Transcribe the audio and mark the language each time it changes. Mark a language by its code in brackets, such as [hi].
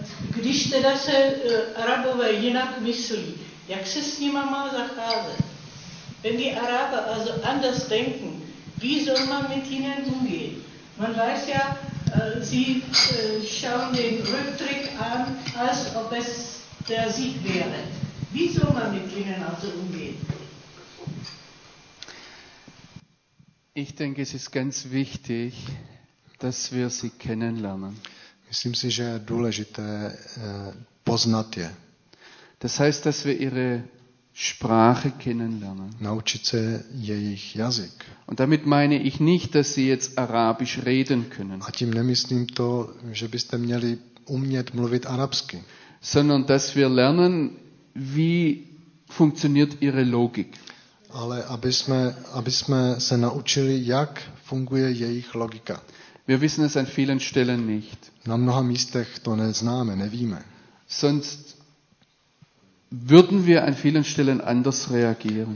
[cs] Když teda se Arabové jinak myslí, jak se s nima má zacházet? [de] Wenn die Araber also anders denken, wie soll man mit ihnen umgehen? Man weiß ja, sie schauen den Rücktritt an, als ob es der Sieg wäre. Wie soll man mit ihnen also umgehen? Ich denke, es ist ganz wichtig, dass wir sie kennenlernen. [cs] Myslím si, že je důležité poznat je. [de] Das heißt, dass wir ihre Sprache kennenlernen. [cs] Naučit se jejich jazyk. [de] Und damit meine ich nicht, dass sie jetzt arabisch reden können. [cs] A tím nemyslím to, že byste měli umět mluvit arabsky. [de] Sondern dass wir lernen, wie funktioniert ihre Logik. [cs] Ale aby jsme se naučili, jak funguje jejich logika. [de] Wir wissen es an vielen Stellen nicht. [cs] Na mnoha místech to neznáme, nevíme. [de] Sonst würden wir an vielen Stellen anders reagieren.